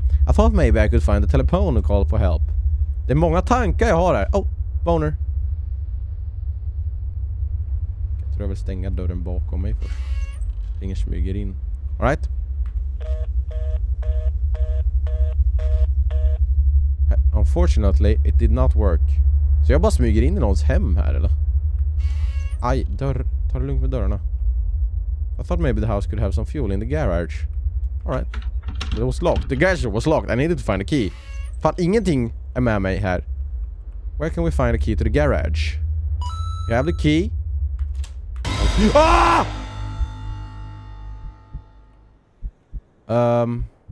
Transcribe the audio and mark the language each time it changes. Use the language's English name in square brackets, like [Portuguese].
[English] I thought maybe I could find the telephone and call for help. [Swedish] Det är många tankar jag har här. [English] Oh, boner. [Swedish] Jag tror jag vill stänga dörren bakom mig först. Ingen smyger in. [English] All right. Unfortunately, it did not work. [Swedish] Så jag bara smyger in i någons hem här eller? Aj, dörr. Ta det lugnt med dörrarna. [English] I thought maybe the house could have some fuel in the garage. All right. It was locked. The garage was locked. I needed to find a key. [Swedish] Fan, ingenting är med mig här. [English] Where can we find a key to the garage? You have the key. Okay.